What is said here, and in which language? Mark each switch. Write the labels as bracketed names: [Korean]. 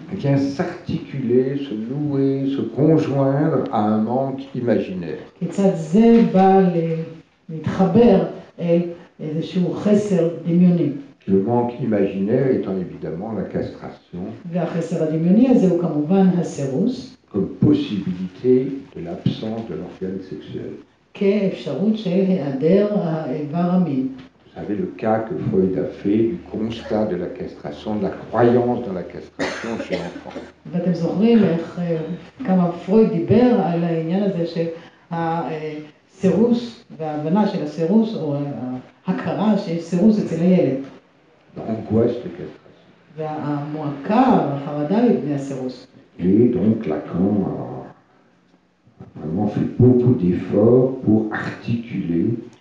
[French] Bien s'articuler, se nouer, se conjoindre à un manque imaginaire. [Hebrew] כיצד זה בא להתחבר אל איזשהו חסר דמיוני. [French] Le manque imaginaire étant évidemment la castration. [Hebrew] והחסר הדמיוני הזה הוא כמובן הסירוס. [French] Comme possibilité de l'absence de l'organe sexuel. [Hebrew] כאפשרות של היעדר האיבר המין. [French] Vous savez le cas que Freud a fait du constat de la castration, de la croyance dans la castration chez l'enfant. [Hebrew] ואתם זוכרים איך כמה פרויד דיבר על העניין הזה של הסירוס וההבנה של הסירוס או ההכרה שיש סירוס אצל הילד. [French] L'angoisse de castration. Et donc Lacan a vraiment fait beaucoup d'efforts pour articuler.